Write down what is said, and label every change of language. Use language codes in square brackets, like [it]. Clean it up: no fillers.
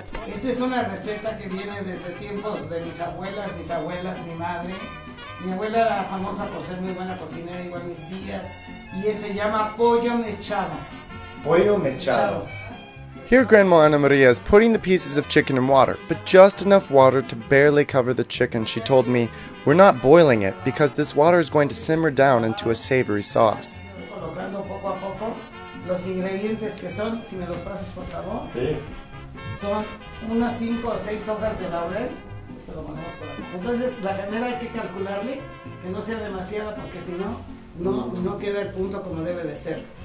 [es] Esta es una receta que viene desde tiempos de mis abuelas, mi madre. Mi abuela era famosa por ser muy buena cocinera, igual mis tías. Y se llama pollo mechado. Pollo mechado. [en] Here Grandma Ana Maria is putting the pieces of chicken in water, but just enough water to barely cover the chicken. She told me, we're not boiling it because this water is going to simmer down into a savory sauce. [es] Colocando poco a poco los ingredientes que son, si me los pasas por favor, sí. Son unas 5 o 6 hojas de laurel. Esto lo ponemos por aquí. Entonces la primera hay que calcularle que no sea demasiada porque si no, no queda el punto como debe de ser.